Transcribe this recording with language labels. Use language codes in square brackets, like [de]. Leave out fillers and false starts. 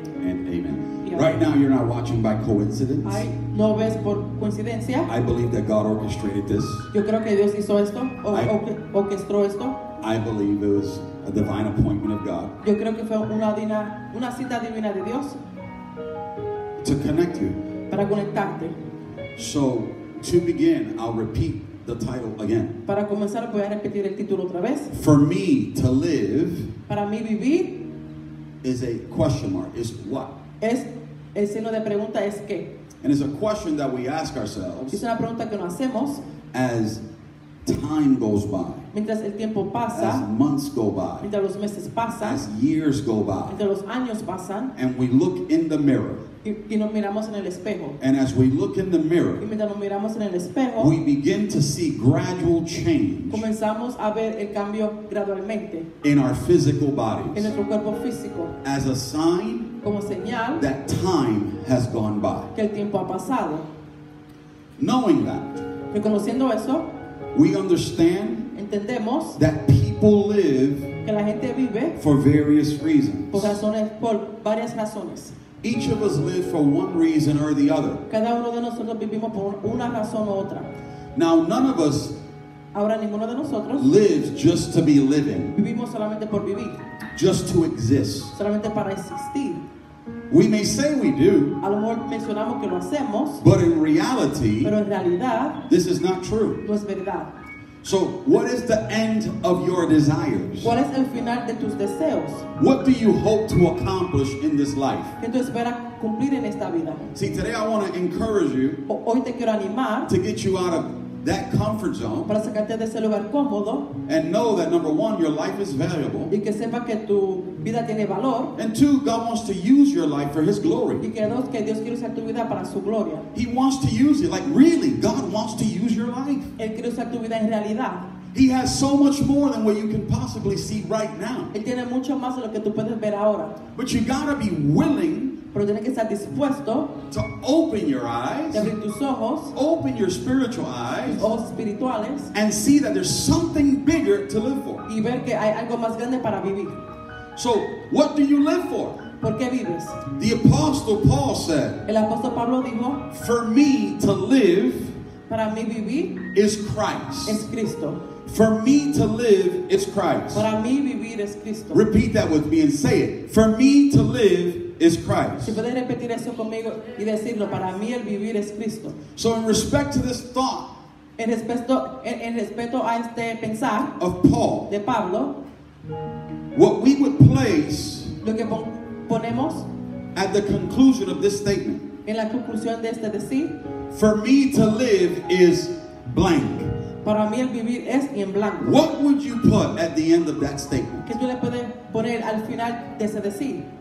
[en] And amen. Right now, you're not watching by coincidence. [es] Ay, no ves por coincidencia. [en] I believe that God orchestrated this. [es] Yo creo que Dios hizo esto, orquestó esto. [en] I believe it was a divine appointment of God. [es] Yo creo que fue una cita divina de Dios. [en] To connect you. [es] Para conectarte. [en] So, to begin, I'll repeat the title again. [es] Para comenzar, voy a repetir el título otra vez. [en] For me to live. [es] Para mí vivir. [en] Is a question mark. Is what? [es] Es el signo de pregunta es qué. [en] And it's a question that we ask ourselves. [es] Es una pregunta que nos hacemos. [en] As time goes by. [es] Mientras el tiempo pasa. [en] As months go by. [es] Mientras los meses pasan. [en] As years go by. [es] Mientras los años pasan. [en] And we look in the mirror. [es] Y nos miramos en el espejo. [en] And as we look in the mirror. [es] Y mientras nos miramos en el espejo. [en] We begin to see gradual change. [es] Comenzamos a ver el cambio gradualmente. [en] In our physical bodies. [es] En nuestro cuerpo físico. [en] As a sign. [es] Como señal [en] that time has gone by. [es] Que el tiempo ha pasado. [en] Knowing that. [es] Reconociendo eso. [en] We understand. [es] Entendemos. [en] That people live. [es] Que la gente vive. [en] For various reasons. [es] Por razones, por varias razones. [en] Each of us live for one reason or the other. [es] Cada uno de nosotros vivimos por una razón u otra. [en] Now none of us. [es] Ahora ninguno de nosotros. [en] Lives just to be living. [es] Vivimos solamente por vivir. [en] Just to exist. [es] Solamente para existir. [en] We may say we do. [es] A lo mejor mencionamos que lo hacemos. [en] But in reality. [es] Pero en realidad. [en] This is not true. [es] No es verdad. [en] So what is the end of your desires? [es] ¿Cuál es el final de tus deseos? [en] What do you hope to accomplish in this life? [es] ¿Qué tú esperas cumplir en esta vida? [en] See, today I want to encourage you. [es] Hoy te quiero animar. [en] To get you out of that comfort zone. [es] Para sacarte de ese lugar cómodo. [en] And know that number one, your life is valuable. [es] Y que sepa que tu vida tiene valor. [en] And two, God wants to use your life for His glory. [es] Y que dos, que Dios quiere usar tu vida para su gloria. [en] He wants to use it. Like really, God wants to use your life. [es] Él quiere usar tu vida en realidad. [en] He has so much more than what you can possibly see right now. [es] Él tiene mucho más de lo que tú puedes ver ahora. [en] But you gotta be willing. [es] Pero tienes que estar dispuesto. [en] To open your eyes. [es] De abrir tus ojos. [en] Open your spiritual eyes. [es] Tus ojos espirituales. [en] And see that there's something bigger to live for. [es] Y ver que hay algo más grande para vivir. [en] So, what do you live for? [es] ¿Por qué vives? [en] The Apostle Paul said. [es] El Apóstol Pablo dijo. [en] For me to live. [es] Para mí vivir. [en] Is Christ. [es] Es Cristo. [en] For me to live is Christ. [es] Para mí vivir es Cristo. [en] Repeat that with me and say it. For me to live is Christ. [es] Si puedes repetir eso conmigo y decirlo, para mí el vivir es Cristo. [en] So in respect to this thought. [es] En respecto a este pensar. [en] Of Paul. [es] De Pablo. [en] What we would place. [es] Lo que ponemos. [en] At the conclusion of this statement. [es] En la conclusión de este decir. [en] For me to live is blank. [es] Para mí el vivir es en blanco. [en] What would you put at the end of that statement? [es] ¿Qué tú le puedes poner al final de ese decir?